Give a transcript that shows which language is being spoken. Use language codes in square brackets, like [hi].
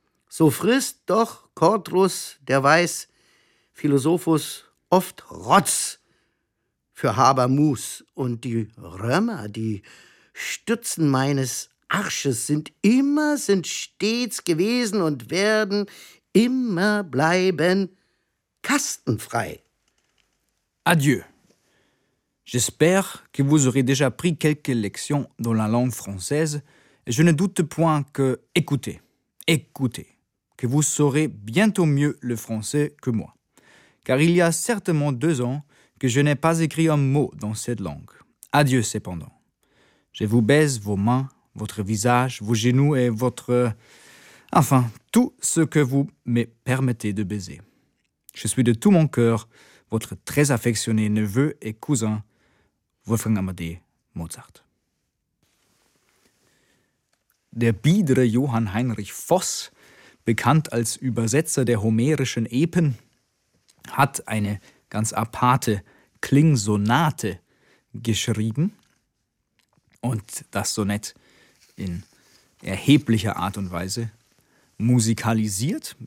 [de] So frisst doch Cordrus, der weiß Philosophus, oft Rotz für Habermus und die Römer, die Stützen meines Arsches sind immer, sind stets gewesen und werden immer bleiben kastenfrei. [fr] Adieu. J'espère que vous aurez déjà pris quelques lections dans la langue française et je ne doute point que, écoutez, écoutez, que vous saurez bientôt mieux le français que moi. Car il y a certainement 2 ans que je n'ai pas écrit un mot dans cette langue. Adieu cependant. Je vous baise vos mains, votre visage, vos genoux et votre... Enfin, tout ce que vous me permettez de baiser. Je suis de tout mon cœur votre très affectionné neveu et cousin, Wolfgang Amadee Mozart. [de] Der biedere Johann Heinrich Voss, bekannt als Übersetzer der homerischen Epen, hat eine ganz aparte Klingsonate geschrieben. Und das Sonett in erheblicher Art und Weise musikalisiert.